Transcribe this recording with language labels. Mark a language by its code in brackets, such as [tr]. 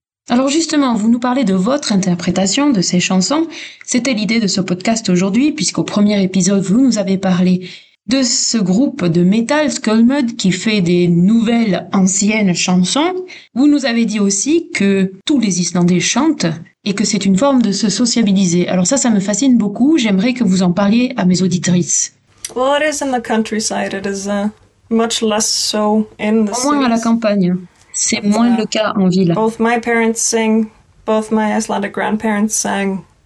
[fr] Alors justement, vous nous parlez de votre interprétation de ces chansons. C'était l'idée de ce podcast aujourd'hui, puisqu'au premier épisode, vous nous avez parlé de ce groupe de metal Skolmud qui fait des nouvelles anciennes chansons. Vous nous avez dit aussi que tous les Islandais chantent et que c'est une forme de se sociabiliser. Alors ça me fascine beaucoup, j'aimerais que vous en parliez à mes auditrices. [en] Well, it is in the countryside, it is much less so in the [fr] city. Au moins à la campagne. C'est moins le cas en ville. [en] Both my parents sing, both my Icelandic grandparents sang.